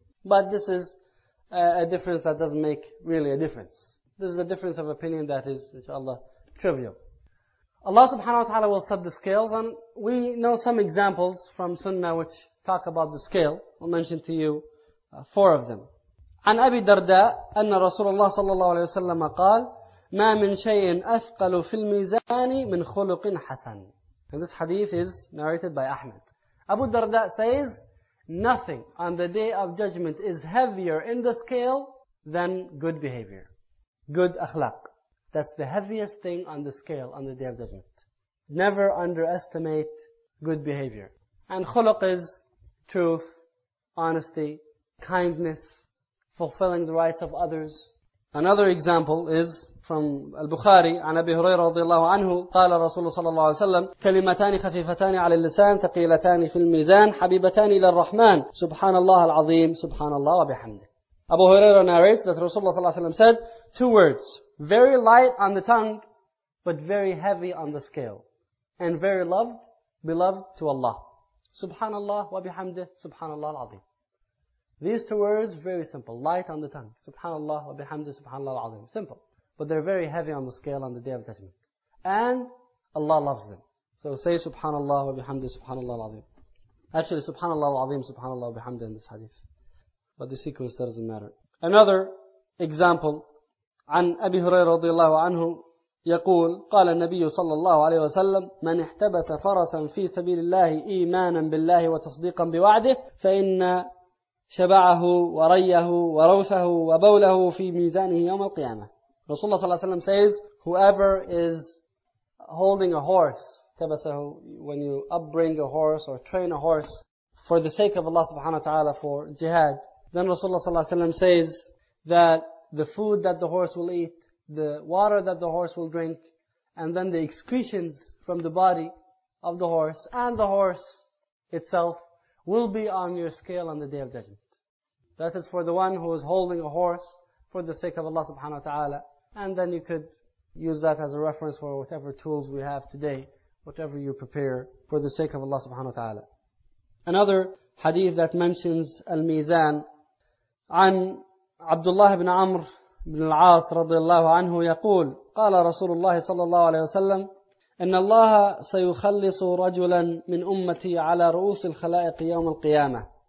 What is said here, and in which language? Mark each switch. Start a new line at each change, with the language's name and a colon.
English: But this is a difference that doesn't make really a difference. This is a difference of opinion that is, inshallah, trivial. Allah subhanahu wa ta'ala will set the scales, and we know some examples from Sunnah which talk about the scale. I'll mention to you four of them.
Arabic: عن أبي درداء أن رسول الله صلى الله عليه وسلم قال ما من شيء أثقل في الميزان من خلق حسن.
English: And this hadith is narrated by Ahmed. Abu Darda says, nothing on the day of judgment is heavier in the scale than good behavior. Good akhlaq. That's the heaviest thing on the scale on the day of judgment. Never underestimate good behavior. And khuluq is truth, honesty, kindness, fulfilling the rights of others. Another example is from Al-Bukhari,
Arabic: عن أبي هريرة رضي الله عنه قال رسول صلى الله عليه وسلم كلمتان خفيفتان على اللسان ثقيلتان في الميزان حبيبتان إلى الرحمن سبحان الله العظيم سبحان الله وبحمده.
English: Abu Huraira narrates that Rasulullah sallallahu alaihi wasallam said, two words, very light on the tongue, but very heavy on the scale, and very loved, beloved to Allah. Subhanallah wa bihamdih, subhanallah al-azim. These two words, very simple, light on the tongue. Subhanallah wa bihamdih, subhanallah al-azim. Simple. But they're very heavy on the scale on the day of judgment. And Allah loves them. So say subhanallah wa bihamdih, subhanallah al-azim. Actually, subhanallah al-azim, subhanallah wa bihamdih in this hadith. But the sequence doesn't matter. Another example,
Arabic: عن أبي هريرة رضي الله عنه يقول قال النبي صلى الله عليه وسلم من احتبس فرسا في سبيل الله إيمانا بالله وتصديقا بوعده فإن شبعه وريه وروثه وبوله في ميزانه يوم القيامة.
English: Rasulullah
Arabic: صلى الله عليه وسلم
English: says, whoever is holding a horse, تبسه, when you upbring a horse or train a horse for the sake of Allah subhanahu wa ta'ala for jihad, then Rasulullah صلى الله عليه وسلم says that the food that the horse will eat, the water that the horse will drink, and then the excretions from the body of the horse and the horse itself will be on your scale on the day of judgment. That is for the one who is holding a horse for the sake of Allah subhanahu wa ta'ala. And then you could use that as a reference for whatever tools we have today, whatever you prepare for the sake of Allah subhanahu wa ta'ala. Another hadith that mentions al-mizan,
Arabic: عن عبد الله بن عمر بن العاص رضي الله عنه يقول قال رسول الله صلى الله عليه وسلم إن الله سيخلص رجلا من أمتي على رؤوس الخلائق يوم القيامة